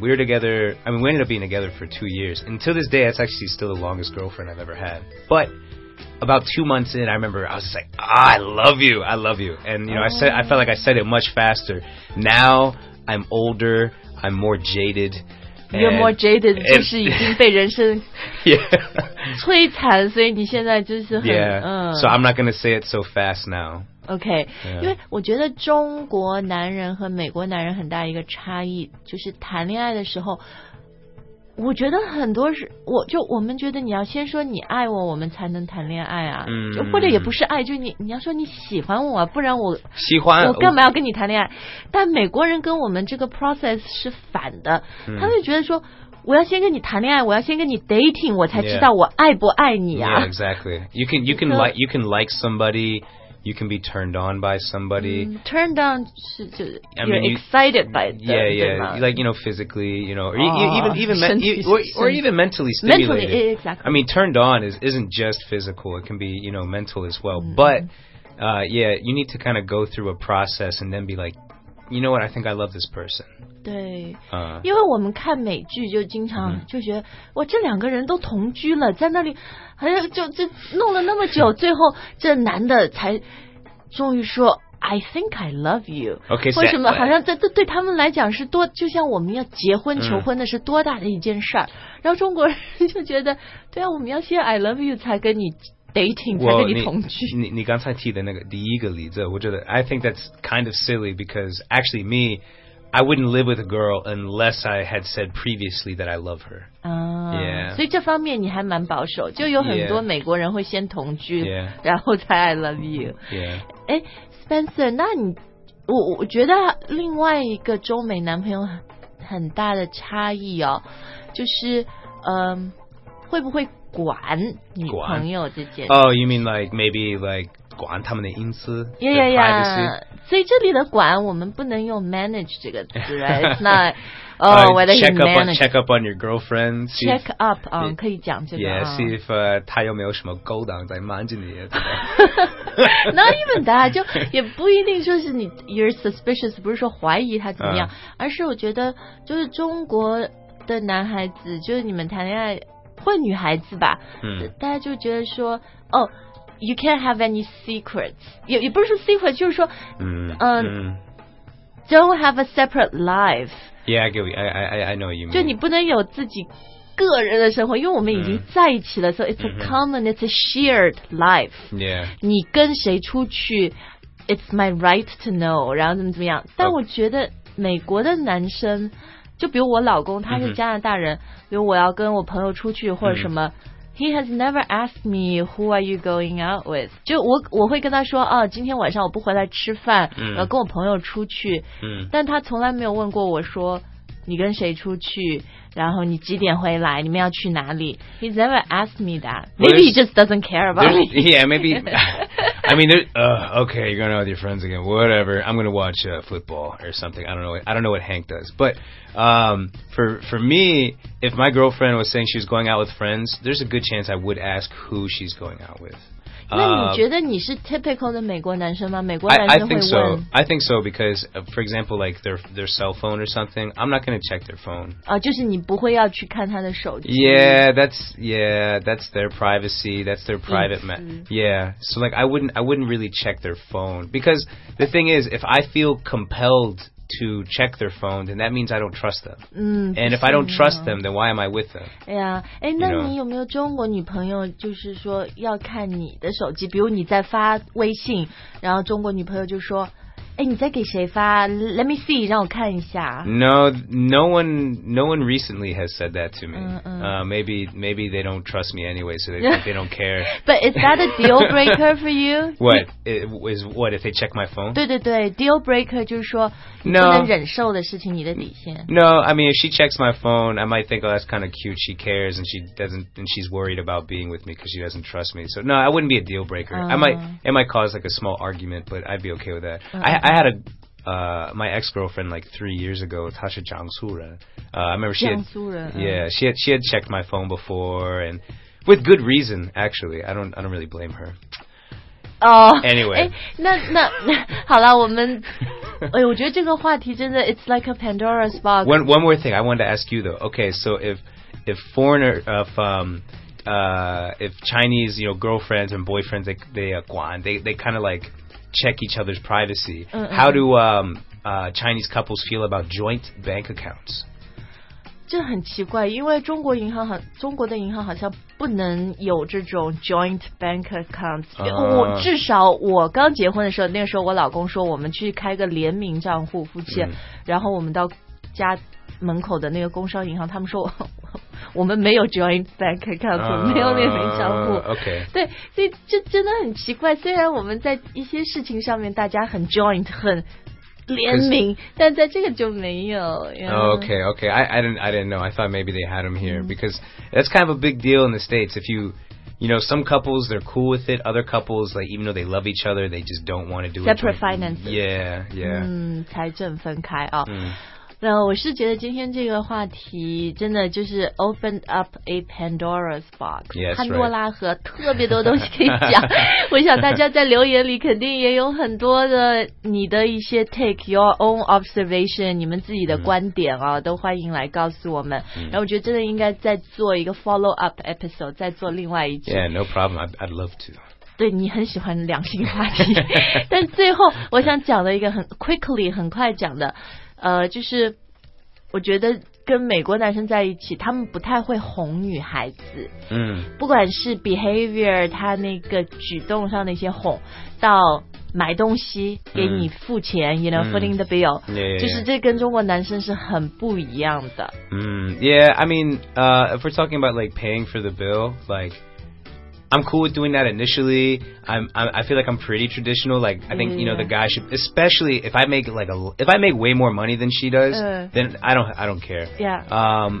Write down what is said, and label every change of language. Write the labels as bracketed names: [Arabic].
[English] We were together, we ended up being together for 2 years. Until this day, that's actually still the longest girlfriend I've ever had. But about 2 months in, I remember I was just like, I love you. And, you know,、oh. I felt like I said it much faster. Now I'm older, I'm more jaded. You're more jaded, [Chinese] 就是已经被人生 [English] yeah. [Chinese] 摧残，所以你现在就是很 [English] yeah.、嗯、 So I'm not going to say it so fast now. Okay.、 Yeah. [Chinese] 因为我觉得中国男人和美国男人很大一个差异，就是谈恋爱的时候，我觉得很多是，我们觉得你要先说你爱我，我们才能谈恋爱啊。嗯。就或者也不是爱，就你要说你喜欢我，不然我喜欢我干嘛要跟你谈恋爱？但美国人跟我们这个 process 是反的，他们觉得说我要先跟你谈恋爱，我要先跟你 dating， 我才知道我爱不爱你啊。 [English] Yeah, exactly. You can like somebody. You can be turned on by somebody.、 Mm, turned on, excited by them. Yeah, yeah. Like, you know, physically, you know, or even mentally stimulated. Mentally, exactly. I mean, turned on isn't just physical. It can be, you know, mental as well.、Mm. But, you need to kind of go through a process and then be like, you know what, I think I love this person. [Chinese] 对、因为我们看美剧就经常就觉得、嗯、哇这两个人都同居了在那里还有就弄了那么久最后这男的才终于说 [English] I think I love you. Okay, so. [Chinese] 为什么好像这对他们来讲是多就像我们要结婚求婚的是多大的一件事儿、嗯、然后中国人就觉得对啊我们要先 [English] I love you [Chinese] 才跟你 dating, 才跟你同居。你刚才提的那个第一个例子我觉得 [English] I think that's kind of silly because actually me,I wouldn't live with a girl unless I had said previously that I love her. So in this [Chinese] 方面你还蛮保守就有很多美国人会先同居、 [English] yeah. [Chinese] 然后才 I love you. [English] Yeah. [Chinese] Spencer, 那你 我觉得另外一个中美男朋友 很大的差异哦就是、会不会管女朋友这件 [English] 事 Oh, you mean like maybe like [Chinese] 管他们的隐私 [English] yeah, yeah, yeah. [Chinese] 所以这里的管我们不能用 manage 这个词 right? [English] It's not oh, whether he managed check up on your girlfriend [Chinese] check up 可以讲这个 [English] yeah, see if [Chinese] 他有没有什么勾当在瞒着你 [English] not even that [Chinese] 就也不一定说是你 [English] you're suspicious [Chinese] 不是说怀疑他怎么样、而是我觉得就是中国的男孩子就是你们谈恋爱或女孩子吧、嗯、大家就觉得说哦 [English] You can't have any secrets. [Chinese] 也不是说 [English] secret, [Chinese] 就是说 [English] don't have a separate life. Yeah, I know what you mean. [Chinese] 就你不能有自己个人的生活因为我们已经在一起了、mm. [English] so it's a common, it's a shared life. Yeah. [Chinese] 你跟谁出去 [English] it's my right to know, [Chinese] 然后怎么样。但我觉得美国的男生就比如我老公他是加拿大人、mm-hmm. 比如我要跟我朋友出去或者什么、mm-hmm. [English] He has never asked me who are you going out with. [Chinese] 就我会跟他说啊，今天晚上我不回来吃饭，嗯、跟我朋友出去、嗯。但他从来没有问过我说你跟谁出去，然后你几点回来，你们要去哪里。 [English] He's never asked me that. Maybe he just doesn't care about me. Yeah, maybe. I mean, okay, you're going out with your friends again. Whatever. I'm going to watch football or something. I don't know what Hank does, but. For me, if my girlfriend was saying she was going out with friends, there's a good chance I would ask who she's going out with. [Chinese] 那你觉得你是 typical 的美国男生吗？美国男生会问。 [English] I think so because, for example, like their cell phone or something, I'm not going to check their phone. [Chinese] 啊，就是你不会要去看他的手机。 [English] Yeah, that's their privacy. That's their private Yeah, so like I wouldn't really check their phone because the thing is, if I feel compelled to check their phone, then that means I don't trust them. 嗯, and if I don't trust them, then why am I with them? [Chinese] Yeah. 哎, 那你有没有中国女朋友就是说要看你的手机，比如你在发微信，然后中国女朋友就说哎，你在给谁发 ？ [English] Let me see， [Chinese] 让我看一下。 [English] No one recently has said that to me. Maybe they don't trust me anyway, so they don't care. But is that a deal breaker for you? What if they check my phone? [Chinese] 对对对 ，deal breaker 就是说你不能忍受的事情，你的底线。 [English] No, I mean if she checks my phone, I might think, oh, that's kind of cute. She cares and she doesn't, and she's worried about being with me because she doesn't trust me. So no, I wouldn't be a deal breaker. It might cause like a small argument, but I'd be okay with that. I had my ex-girlfriend like 3 years ago, Tasha Jiangsura. I remember she had, she had checked my phone before, and with good reason, actually. I don't really blame her. Oh, anyway. [Chinese] 那好了，我们，哎，我觉得这个话题真的 [English] it's like a Pandora's box. One more thing I wanted to ask you though. Okay, so if Chinese, you know, girlfriends and boyfriends, they kind of like check each other's privacy. Mm-hmm. How do Chinese couples feel about joint bank accounts? [Chinese] 这很奇怪，因为中国银行很中国的银行好像不能有这种 joint bank accounts。我至少我刚结婚的时候，那个时候我老公说我们去开个联名账户，夫妻，然后我们到家门口的那个工商银行，他们说我们没有 joint bank account， 没有联名账户。 [English] Okay. [Chinese] 对，所以这真的很奇怪。虽然我们在一些事情上面大家很 joint 很联名，但在这个就没有。 [English] Okay. I didn't know. I thought maybe they had them here because that's kind of a big deal in the States. If you know, some couples they're cool with it. Other couples, like even though they love each other, they just don't want to do separate finances. Yeah. [Chinese] 财政分开啊。那我是觉得今天这个话题真的就是 [English] opened up a Pandora's box， [Chinese] 潘多拉盒，特别多东西可以讲。我想大家在留言里肯定也有很多的你的一些 [English] take your own observation， [Chinese] 你们自己的观点啊，都欢迎来告诉我们。然后我觉得真的应该再做一个 follow up episode， 再做另外一集。 [English] Yeah, no problem. I'd love to. [Chinese] 对，你很喜欢两性话题。但最后我想讲的一个很 quickly 很快讲的就是我觉得跟美国男生在一起他们不太会哄女孩子，不管是 behavior 他那个举动上的一些哄到买东西给你付钱， [English] you know, footing the bill, yeah. [Chinese] 就是这跟中国男生是很不一样的。 [English] Yeah, I mean, if we're talking about like paying for the bill, likeI'm cool with doing that initially. I feel like I'm pretty traditional. Like, I think, you know, the guy should, especially if I make like if I make way more money than she does, then I don't care. Yeah.